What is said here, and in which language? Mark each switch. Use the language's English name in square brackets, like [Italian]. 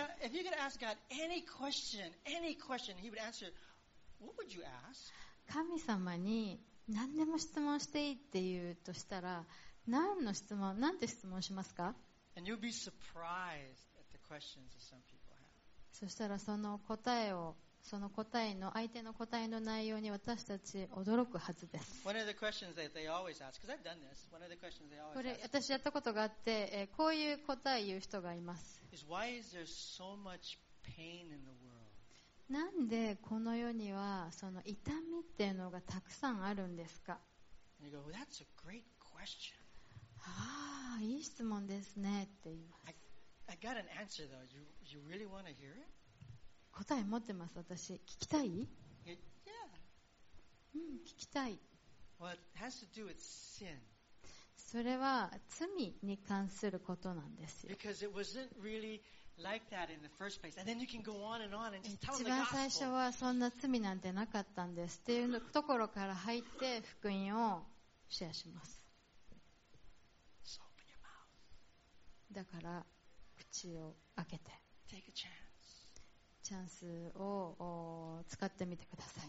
[English] If you could ask God any question, He would answer. What would you ask? [Japanese] 神様に何でも質問していいって言うとしたら何の質問、何て質問しますか？ [English] And you'll be surprised at the questions that some people have. [Japanese] そしたらその答えをその答えの相手の答えの内容に私たち驚くはずです。 [English] One of the questions that they always ask, because I've done this. One of the questions they always ask. [Japanese] これ私やったことがあって、こういう答えを言う人がいます。 [English] Is why is there so much pain in the world? [Japanese] なんでこの世にはその痛みっていうのがたくさんあるんですか。 [English] And you go, well, that's a great question. [Japanese] ああ、いい質問ですねって言います。 [English] I got an answer though. You really want to hear it? [Japanese] 答え持ってます私聞きたい、 [English] yeah. [Japanese] うん、聞きたい。 [English] Well, it has to do with sin. [Japanese] それは罪に関することなんですよ。 [English] Because it wasn't really like that in the first place. And then you can go on and on and just tell the gospel. [Japanese] 一番最初はそんな罪なんてなかったんですっていうところから入って福音をシェアします。 [English] So open your mouth. [Japanese] だから口を開けて [English] Take a chance. [Japanese] チャンスを使ってみてください。